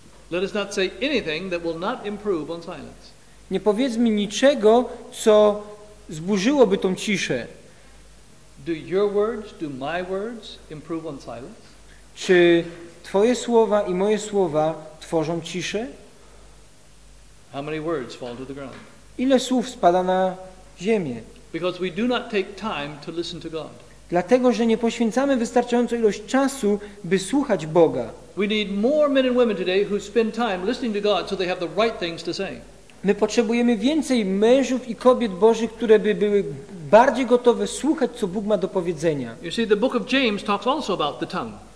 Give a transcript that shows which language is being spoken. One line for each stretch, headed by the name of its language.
English: Let us not say anything that will not improve on silence.
Polish: Nie powiedzmy niczego, co zburzyłoby tą ciszę.
English: Do your words, do my words improve on silence?
Polish: Czy twoje słowa i moje słowa tworzą ciszę?
English: How many words fall to the ground?
Polish: Ile słów spada na ziemię?
English: Because we do not take time to listen to God.
Polish: Dlatego, że nie poświęcamy wystarczająco ilość czasu, by słuchać Boga.
English: We need more men and women today who spend time listening to God so they have the right things to say.
Polish: My potrzebujemy więcej mężów i kobiet Bożych, które by były bardziej gotowe słuchać, co Bóg ma do powiedzenia.
English: You see, the book of James talks also about the tongue.